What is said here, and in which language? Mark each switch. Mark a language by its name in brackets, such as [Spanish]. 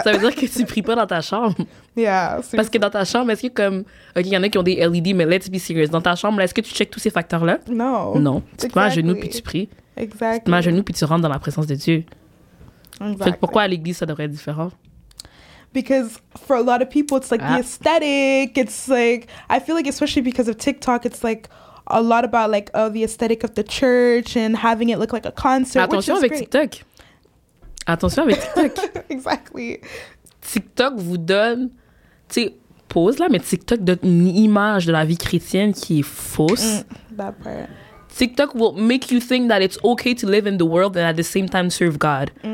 [French] Ça veut dire que tu pries pas dans ta chambre. [English] Yeah, [French] parce que dans ta chambre, est-ce que comme... OK, il y en a qui ont des LED, mais [English] let's be serious. [French] Dans ta chambre, là, est-ce que tu checkes tous ces facteurs-là? Non. Tu te mets à genoux, puis tu pries. [English] Exactly. [French] Tu te mets à genoux, puis tu rentres dans la présence de Dieu. Exactly. Fait que pourquoi à l'église, ça devrait être différent? [English] Because for a lot of people, it's like the aesthetic. It's like... I feel like, especially because of TikTok, it's like... a lot about like, oh, the aesthetic of the church and having it look like a concert. [French] Attention avec TikTok. Attention avec TikTok. [English] Exactly. [French] TikTok vous donne, tu sais, pause là, mais TikTok donne une image de la vie chrétienne qui est fausse. [English] That part. TikTok will make you think that it's okay to live in the world and at the same time serve God.